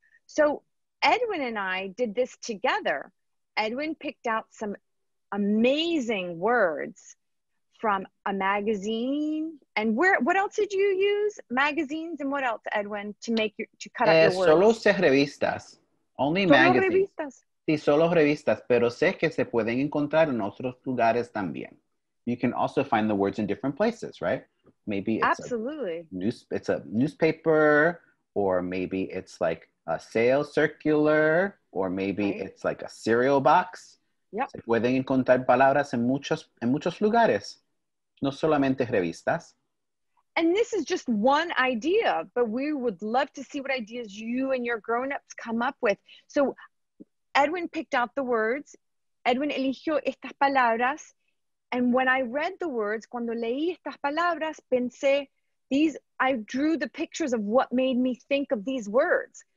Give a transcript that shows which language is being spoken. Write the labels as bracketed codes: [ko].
[en] So Edwin and I did this together. Edwin picked out some amazing words from a magazine. And where? What else did you use? Magazines and what else, Edwin, to make your, to cut up your words? [es] Solo revistas, [en] only [es] solo [en] magazines. [es] Revistas. Sí, solo revistas, pero sé que se pueden encontrar en otros lugares también. [en] You can also find the words in different places, right? Maybe it's, absolutely. It's a newspaper, or maybe it's like a sales circular, or maybe it's like a cereal box. Yep. [es] Se pueden encontrar palabras en muchos lugares, no solamente revistas. [en] And this is just one idea, but we would love to see what ideas you and your grown-ups come up with. So Edwin picked out the words. [es] Edwin eligió estas palabras. [en] And when I read the words, [es] cuando leí estas palabras, pensé, [en] these, I drew the pictures of what made me think of these words.